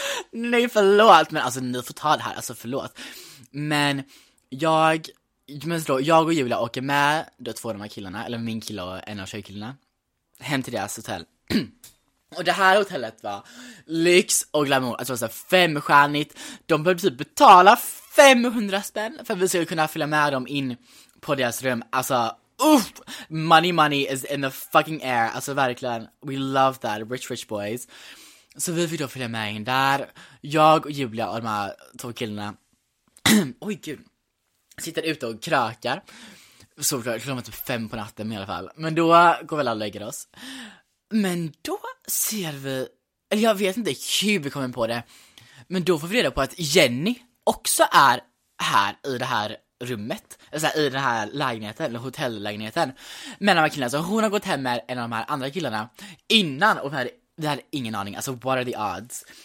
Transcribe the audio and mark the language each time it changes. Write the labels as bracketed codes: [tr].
[sv] Nej, förlåt, men alltså ni får ta det här, alltså förlåt. Men jag och Julia åker med de två av de här killarna, eller min kille och en av tjejkillarna, hem till deras hotell. Och det här hotellet var lyx och glamour. Alltså såhär 5-stjärnigt. De behövde typ betala 500 spänn för att vi skulle kunna fylla med dem in på deras rum. [en] Alltså, money is in the fucking air. [sv] Alltså verkligen, [en] we love that, rich boys. [sv] Så vi fick då fylla med in där. Jag och Julia och de här två killarna oj gud, sitter ute och krökar. Så klockan var typ 5 på natten i alla fall. Men då går väl alla och lägger oss. Men då ser vi, eller jag vet inte hur vi kommer på det, men då får vi reda på att Jenny också är här i det här rummet, alltså i den här lägenheten, eller hotellägenheten, med de här killarna. Så hon har gått hem med en av de här andra killarna innan, och det här är ingen aning, alltså [en] what are the odds.